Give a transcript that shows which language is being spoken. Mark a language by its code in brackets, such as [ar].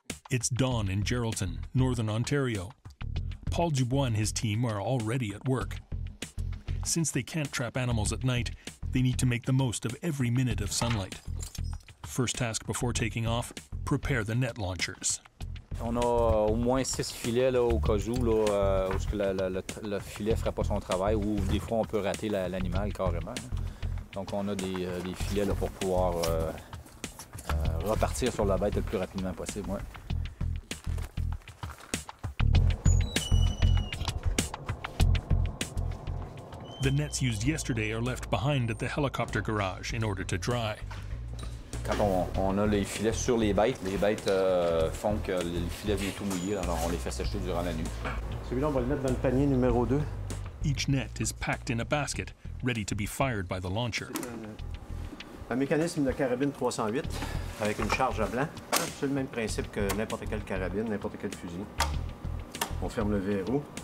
[en] It's dawn in Geraldton, Northern Ontario. Paul Dubois and his team are already at work. Since they can't trap animals at night, they need to make the most of every minute of sunlight. First task before taking off, prepare the net launchers. [fr] On a au moins 6 filets là, au cas où, là, où le filet ne ferait pas son travail ou des fois on peut rater l'animal carrément. Là. Donc on a des filets là, pour pouvoir repartir sur la bête le plus rapidement possible. Ouais. [en] The nets used yesterday are left behind at the helicopter garage in order to dry. [fr] Quand on a les filets sur les bêtes font que les filets viennent tout mouillés, alors on les fait sécher durant la nuit. Celui-là, on va le mettre dans le panier numéro 2. [en] Each net is packed in a basket, ready to be fired by the launcher. [fr] Un mécanisme de carabine 308 avec une charge à blanc. C'est le même principe que n'importe quelle carabine, n'importe quel fusil. On ferme le verrou.